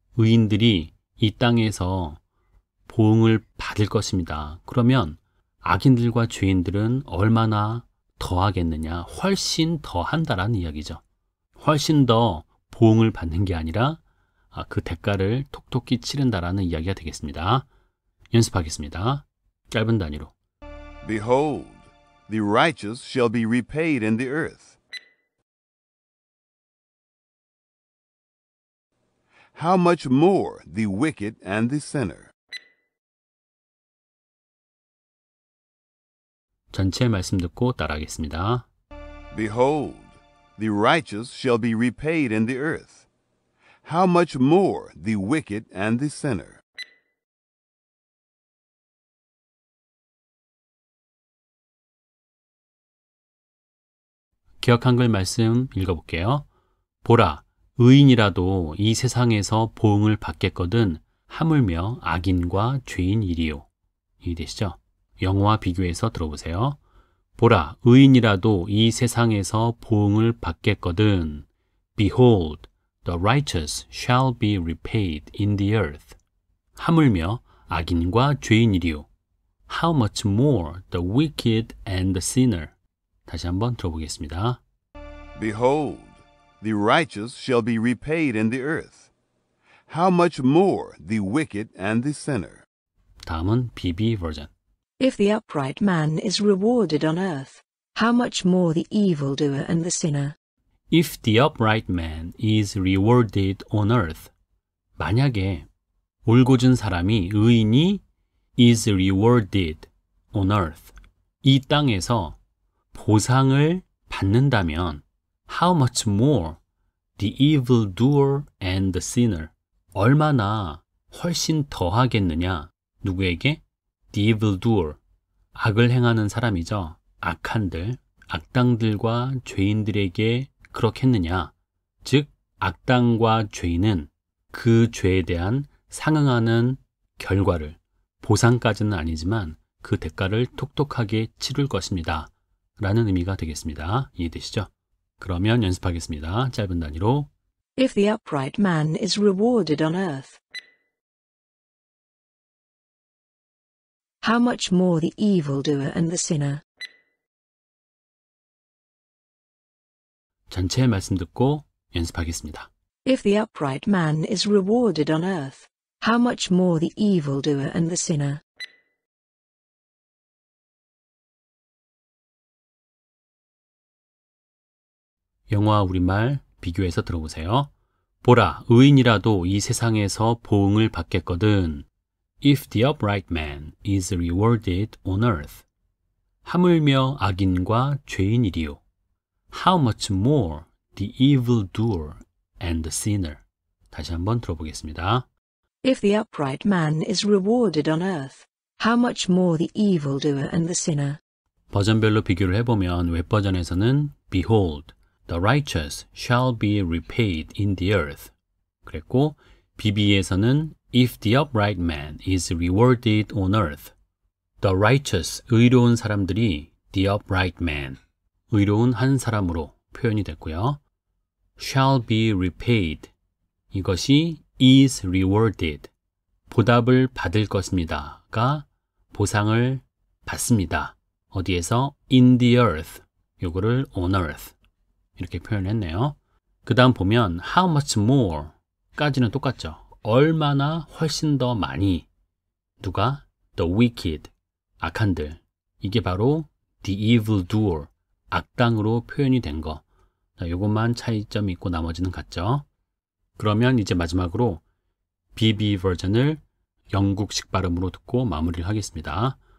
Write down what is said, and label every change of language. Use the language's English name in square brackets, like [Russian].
[Korean] 의인들이 이 땅에서 보응을 받을 것입니다. 그러면 악인들과 죄인들은 얼마나 더하겠느냐? 훨씬 더한다라는 이야기죠. 훨씬 더 보응을 받는 게 아니라 그 대가를 톡톡히 치른다라는 이야기가 되겠습니다. 연습하겠습니다. 짧은 단위로. [English] Behold, the righteous shall be repaid in the earth. How much more the wicked and the sinner? [Korean] 전체 말씀 듣고 따라하겠습니다. [English] Behold, the righteous shall be repaid in the earth. How much more the wicked and the sinner? [Korean] Behold, 말씀 읽어볼게요. 보라, 의인이라도 이 세상에서 보응을 받겠거든 하물며 악인과 죄인이리요. 이해되시죠? 영어와 비교해서 들어보세요. 보라, 의인이라도 이 세상에서 보응을 받겠거든 [English] Behold, the righteous shall be repaid in the earth. [Korean] 하물며 악인과 죄인이리요. [English] How much more the wicked and the sinner? [Korean] 다시 한번 들어보겠습니다. [English] Behold, the righteous shall be repaid in the earth. How much more the wicked and the sinner? [Korean] 다음은 BB 버전. [English] If the upright man is rewarded on earth, how much more the evildoer and the sinner? If the upright man is rewarded on earth, [Korean] 만약에 올곧은 사람이 의인이 [English] is rewarded on earth, [Korean] 이 땅에서 보상을 받는다면 [English] How much more the evil doer and the sinner [Korean] 얼마나 훨씬 더 하겠느냐 누구에게? [English] The evil doer [Korean] 악을 행하는 사람이죠 악한들, 악당들과 죄인들에게 그렇겠느냐 즉, 악당과 죄인은 그 죄에 대한 상응하는 결과를 보상까지는 아니지만 그 대가를 톡톡하게 치를 것입니다 라는 의미가 되겠습니다. 이해되시죠? 그러면 연습하겠습니다. 짧은 단위로. [English] If the upright man is rewarded on earth, how much more the evildoer and the sinner? [Korean] 전체 말씀 듣고 연습하겠습니다. [English] If the upright man is rewarded on earth, how much more the evildoer and the sinner? [Korean] 영화 우리말 비교해서 들어보세요. 보라, 의인이라도 이 세상에서 보응을 받겠거든. [English] If the upright man is rewarded on earth, [Korean] 하물며 악인과 죄인이리요. [English] How much more the evildoer and the sinner. [Korean] 다시 한번 들어보겠습니다. [English] If the upright man is rewarded on earth, how much more the evildoer and the sinner. [Korean] 버전별로 비교를 해보면 웹 버전에서는 [English] Behold, the righteous shall be repaid in the earth. 그랬고 BB에서는 If the upright man is rewarded on earth, the righteous, [Korean] 의로운 사람들이 [English] the upright man, [Korean] 의로운 한 사람으로 표현이 됐고요. [English] shall be repaid, [Korean] 이것이 [English] is rewarded, [Korean] 보답을 받을 것입니다가 보상을 받습니다. 어디에서? [English] in the earth, [Korean] 요거를 on earth 이렇게 표현했네요. 그 다음 보면 how much more 까지는 똑같죠. 얼마나 훨씬 더 많이, 누가? the wicked, 악한들, 이게 바로 the evildoer, 악당으로 표현이 된 거. 이것만 차이점이 있고 나머지는 같죠. 그러면 이제 마지막으로 BB 버전을 영국식 발음으로 듣고 마무리를 하겠습니다.